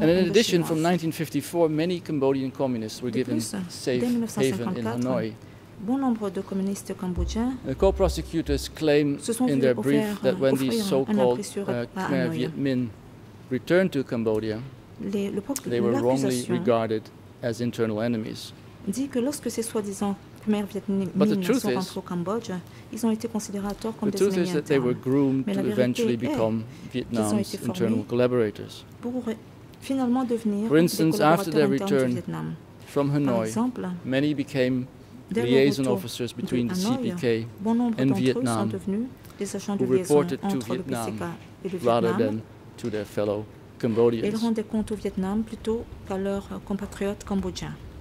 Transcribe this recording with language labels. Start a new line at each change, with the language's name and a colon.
English: And in addition, from 1954, many Cambodian communists were given safe haven in Hanoi.
French: Bon nombre de communistes cambodgiens.
English: The co-prosecutors claim in their brief that when these so-called Khmer Viet Minh returned to Cambodia, they were wrongly regarded as internal enemies.
French: Dit que lorsque ces soi-disant Khmer Viet Minh sont rentrés au Cambodge, ils ont été considérés à tort comme des ennemis internes.
English: They were groomed to eventually become Vietnam's internal collaborators.
French: Pour finalement devenir.
English: For instance, after their return from Hanoi, many became liaison officers between the CPK and Vietnam, who reported to Vietnam rather than to their fellow Cambodians.
French: Ils rendaient compte au Vietnam plutôt qu'à leurs compatriotes cambodgiens.